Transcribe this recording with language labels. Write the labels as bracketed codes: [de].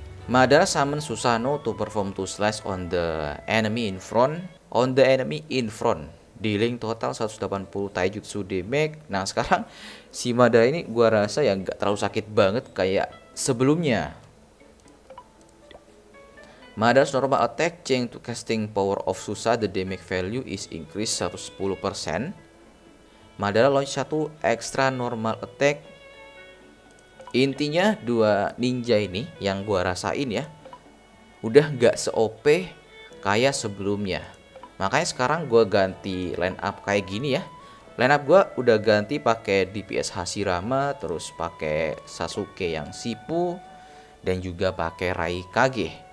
[en] Madara summon Susanoo to perform 2 slice on the enemy in front. Dealing total 180 taijutsu damage. [id] Nah sekarang si Madara ini gua rasa ya gak terlalu sakit banget kayak sebelumnya. [en] Madara's normal attack change to casting power of Susa, the damage value is increased 110%. Madara launch 1 extra normal attack. [id] Intinya dua ninja ini yang gua rasain ya udah gak se-OP kayak sebelumnya. Makanya sekarang gue ganti line up kayak gini ya. Line up gue udah ganti pakai DPS Hashirama, terus pakai Sasuke yang Shippu, dan juga pakai Raikage.